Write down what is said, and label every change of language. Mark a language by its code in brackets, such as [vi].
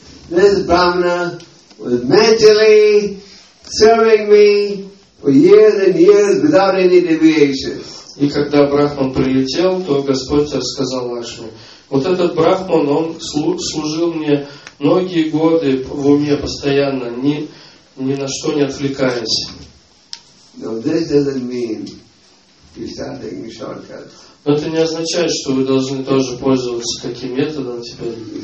[en] This Brahmana was mentally serving me for years and years without any deviation. [ru] И когда Брахман прилетел, то Господь сказал Лакшми, вот этот Брахман, он служил мне многие годы в уме постоянно, ни на что не отвлекаясь. [en] Now this doesn't mean you start taking shortcuts. [ru] Но это не означает, что вы должны тоже пользоваться таким методом теперь.